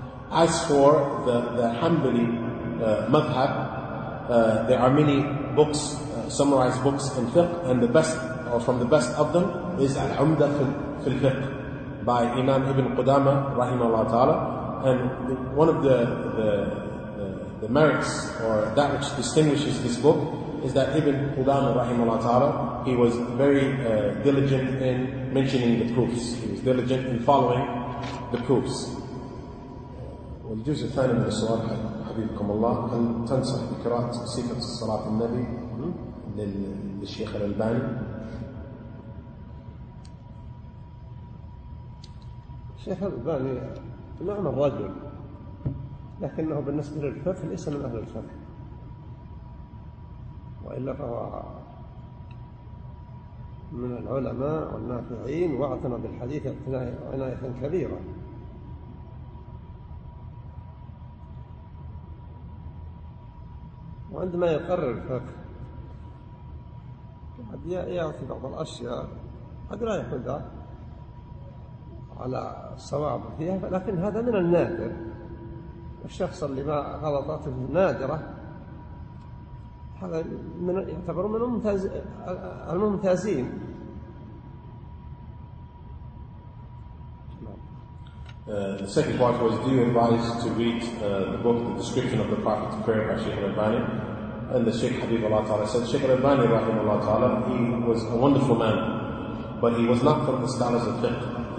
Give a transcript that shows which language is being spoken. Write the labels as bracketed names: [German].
[English] As for the Hanbali madhab, there are many books, summarized books in fiqh, and the best, or from the best of them, is Al-Umda fil Fiqh by Imam Ibn Qudama, rahimahullah ta'ala. And one of the merits, or that which distinguishes this book, is that Ibn Qudama, rahimahullah ta'ala, he was very diligent in mentioning the proofs. He was diligent in following the proofs. [Arabic] والجزء الثاني من السؤال حبيبكم الله هل تنصح بقراءة صفة الصلاة النبي للشيخ الألباني؟ الشيخ الألباني نعم الرجل لكنه بالنسبة للفقه ليس من أهل الفقه وإلا فهو من العلماء والنافعين واعتنى بالحديث عناية كبيرة وعندما يقرر الفقه قد يعطي بعض الأشياء قد لا يحدى على الصواب فيها لكن هذا من النادر الشخص اللي ما غلطاته نادرة هذا من يعتبر من الممتازين [English] The second part was, do you advise to read the book, The Description of the Prophet's Prayer by Sheikh al-Albani? And the Shaykh Habib Allah Ta'ala said, Shaykh al-Albani rahimahullah ta'ala, he was a wonderful man, but he was not from the scholars of fiqh.